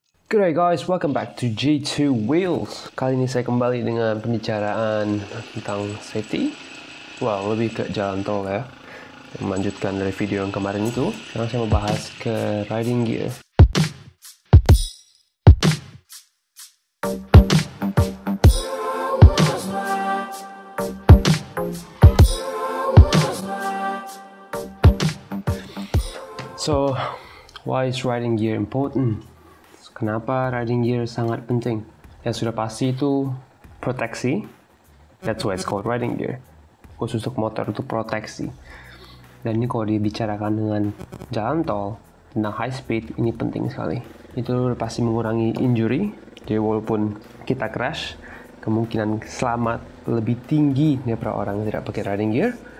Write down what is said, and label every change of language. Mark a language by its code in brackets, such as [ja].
[en] G'day guys, welcome back to G2 Wheels. [id] Kali ini saya kembali dengan pembicaraan tentang safety. Well, lebih ke jalan tol ya. Melanjutkan dari video yang kemarin itu, sekarang saya membahas ke riding gear. [en] So, why is riding gear important? [id] Kenapa riding gear sangat penting? Ya sudah pasti itu proteksi. [en] That's why it's called riding gear. [id] Khusus untuk motor itu proteksi. Dan ini kalau dibicarakan dengan jalan tol, tentang high speed, ini penting sekali. Itu pasti mengurangi injury. Jadi walaupun kita crash, kemungkinan selamat lebih tinggi daripada orang yang tidak pakai riding gear.